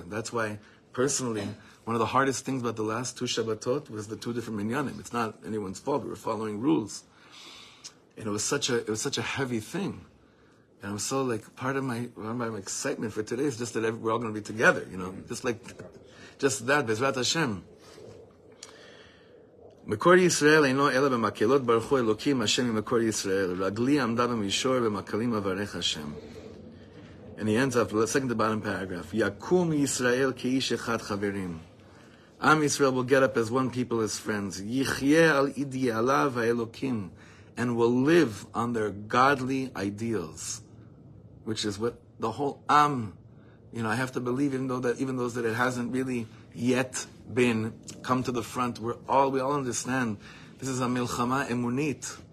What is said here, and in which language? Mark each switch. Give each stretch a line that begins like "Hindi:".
English: That's why, personally, one of the hardest things about the last two Shabbatot was the two different minyanim. It's not anyone's fault. We were following rules, and it was such a heavy thing. And I'm so, like, part of my excitement for today is just that we're all going to be together. You know, just that Bezrat Hashem.
Hebrew: מקור ישראל אינו אלא במקהלות ברכו אלוקים השם ממקור ישראל רגלי עמדה במישור במקהלים אברך השם.
English: And he ends up, second to bottom paragraph,
Hebrew: יקום ישראל כאיש אחד חברים.
English: עם ישראל will get up as one people, as friends.
Hebrew: יחיה על אידיאליו האלוקים
English: and will live on their godly ideals, which is what the whole עם, you know, I have to believe, even though it hasn't really yet been come to the front, we all understand this is a milchama emunit.